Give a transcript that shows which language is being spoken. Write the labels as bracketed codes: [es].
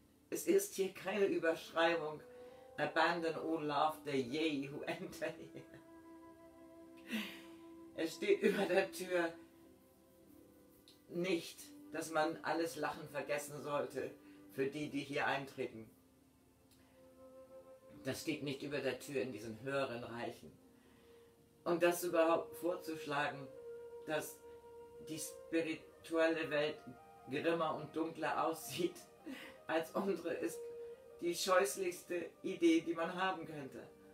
[de] Es ist hier keine Überschreibung. [en] Abandon all laughter, ye who enter here. [de] Es steht über der Tür nicht, dass man alles Lachen vergessen sollte für die, die hier eintreten. Das steht nicht über der Tür in diesen höheren Reichen. Und das überhaupt vorzuschlagen, dass die spirituelle Welt grimmer und dunkler aussieht als unsere, ist die scheußlichste Idee, die man haben könnte.